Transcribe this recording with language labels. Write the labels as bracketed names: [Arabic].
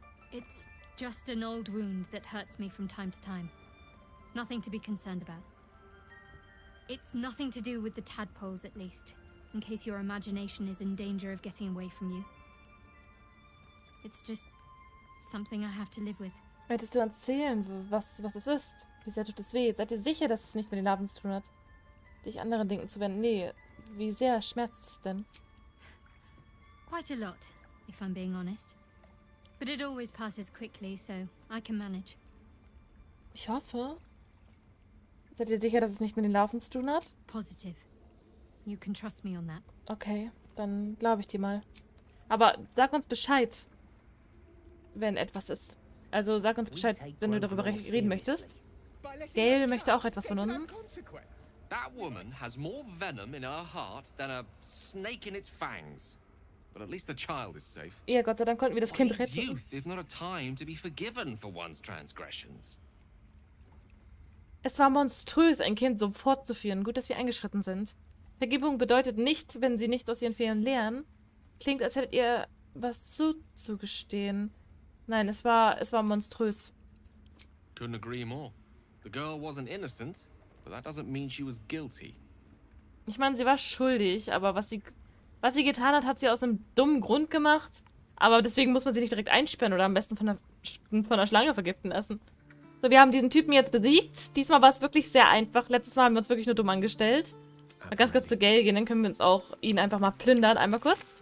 [English] It's just an old wound that hurts me from time to time. Nothing to be concerned about. It's nothing to do with the tadpoles, at least, in case your imagination is in danger of getting away from you. It's just something I have to live with. [German] Möchtest du erzählen, was es ist? Wie sehr tut es weh? Seid ihr sicher, dass es nicht mit den Larven zu tun hat? Dich anderen Dingen zu wenden? Nee, wie sehr schmerzt es denn? [English] Quite a lot, if I'm being honest. But it always passes quickly, so I can manage. [German] Ich hoffe. Seid ihr sicher, dass es nicht mit den Larven zu tun hat? [English] Positive. You can trust me on that. [German] Okay, dann glaube ich dir mal. Aber sag uns Bescheid, wenn etwas ist. Also sag uns Bescheid, wenn du darüber reden möchtest. Gail möchte auch etwas von uns. [English] That woman has more venom in her heart than a snake in its fangs. But at least the child is safe. [German] Ja, Gott sei Dank konnten wir das Kind retten. [English] Youth is not a time to be forgiven for one's transgressions. [German] Es war monströs, ein Kind so fortzuführen. Gut, dass wir eingeschritten sind. Vergebung bedeutet nicht, wenn sie nicht aus ihren Fehlern lernen. Klingt, als hättet ihr was zuzugestehen. Nein, es war monströs. [English] Couldn't agree more. The girl wasn't innocent, but that doesn't mean she was guilty. [German] Ich meine, sie war schuldig, aber was sie getan hat, hat sie aus einem dummen Grund gemacht. Aber deswegen muss man sie nicht direkt einsperren oder am besten von einer Schlange vergiften lassen. So, wir haben diesen Typen jetzt besiegt. Diesmal war es wirklich sehr einfach. Letztes Mal haben wir uns wirklich nur dumm angestellt. Mal ganz kurz zu Gail gehen, dann können wir uns auch ihn einfach mal plündern. Einmal kurz.